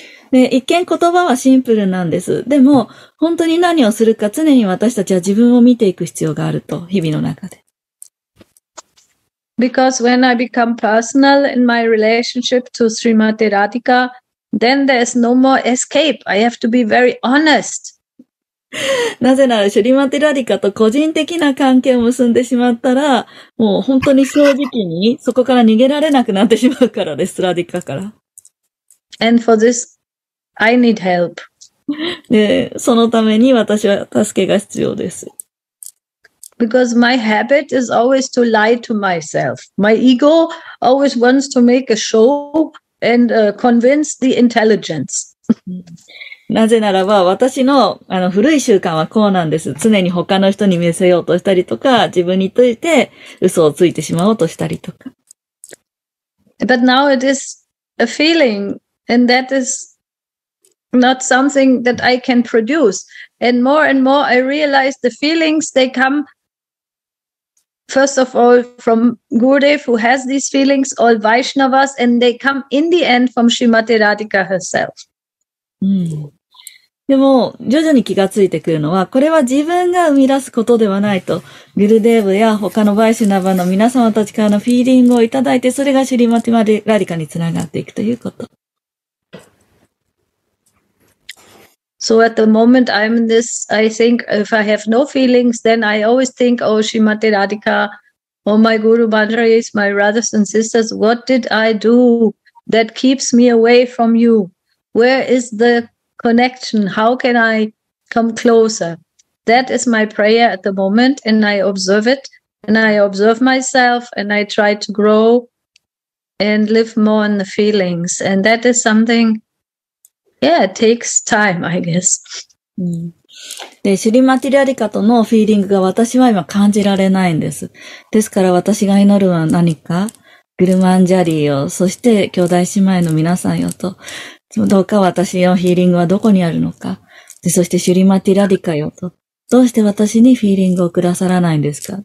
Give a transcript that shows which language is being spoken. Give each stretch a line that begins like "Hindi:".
Japanese: で、一見言葉はシンプルなんです。でも、本当に何をするか常に私たちは自分を見ていく必要があると、日々の中で。
English: Because when I become personal in my relationship to Srimati Radhika, then there's no more escape. I have to be very honest.
Japanese: なぜなら、シュリマティラディカと個人的な関係を結んでしまったら、もう本当に正直にそこから逃げられなくなってしまうからです、ラディカから。
English: And for this, I need help.
Japanese: で、そのために私は助けが必要です。
English: Because my habit is always to lie to myself. My ego always wants to make a show and convince the intelligence.
Japanese: なぜならば私の古い習慣はこうなんです。常に他の人に見せようとしたりとか、自分について嘘をついてしまおうとしたりとか。
English: But now it is a feeling, and that is not something that I can produce. And more I realize the feelings, they come first of all from Gurudev who has these feelings, all Vaishnavas, and they come in the end from Srimati Radhika herself. でも徐々に気がついてくるのは、これは自分が生み出すことではないと、グルデーブや他のバイシュナバの皆様たちからのフィーリングをいただいて、それがシュリマティマラディカにつながっていくということ。 So at the moment I'm in this, I think if I have no feelings, then I always think, oh Srimati Radhika, oh my Guru Bhandaris, my brothers and sisters, what did I do that keeps me away from you? Where is theConnection, how can I come closer? That is my prayer at the moment, and I observe it, and I observe myself, and I try to grow and live more in the feelings. And that is something, yeah, it takes time, I guess.
Japanese: で、シュリマティラリカとのフィーリングが私は今感じられないんです。ですから私が祈るは何か、グルマンジャリーを、そして兄弟姉妹の皆さんよと、どうか私のヒーリングはどこにあるのか。で、そしてシュリマティラディカよと。どうして私にフィーリングをくださらないんですか。